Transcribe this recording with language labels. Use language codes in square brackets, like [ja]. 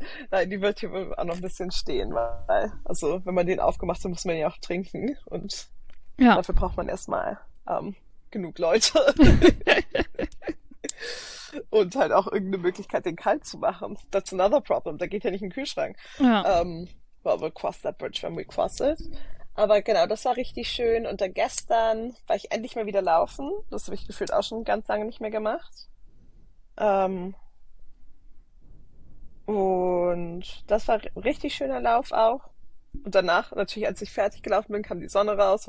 [de] Nein, die wird hier auch noch ein bisschen stehen, weil, also, wenn man den aufgemacht hat, muss man ihn ja auch trinken und Ja. dafür braucht man erstmal genug Leute. Und halt auch irgendeine Möglichkeit, den kalt zu machen. [en] That's another problem. [de] Da geht ja nicht in den Kühlschrank. Ja. [en] Well, we'll cross that bridge when we cross it. [de] Aber genau, das war richtig schön. Und dann gestern war ich endlich mal wieder laufen. Das habe ich gefühlt auch schon ganz lange nicht mehr gemacht. Und das war richtig schöner Lauf auch. Und danach, natürlich, als ich fertig gelaufen bin, kam die Sonne raus.